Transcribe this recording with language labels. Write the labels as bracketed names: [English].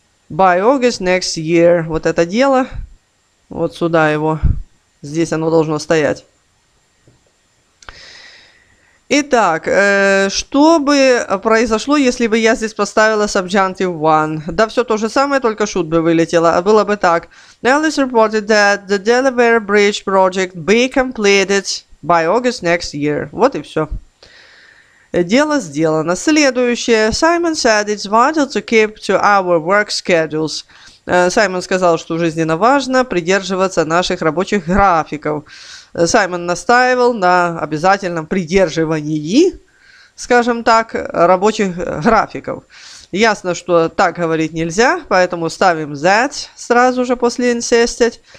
[English] By August next year. [Russian] Вот это дело. Вот сюда его. Здесь оно должно стоять. Итак, что бы произошло, если бы я здесь поставила subjunctive one? Да все то же самое, только should бы вылетело. Было бы так. [English] Alice reported that the Delaware Bridge project be completed by August next year. [Russian] Вот и все. Дело сделано. Следующее. [English] Simon said it's vital to keep to our work schedules. [Russian] Simon сказал, что жизненно важно придерживаться наших рабочих графиков. Simon настаивал на обязательном придерживании, скажем так, рабочих графиков. Ясно, что так говорить нельзя, поэтому ставим that сразу же после insisted.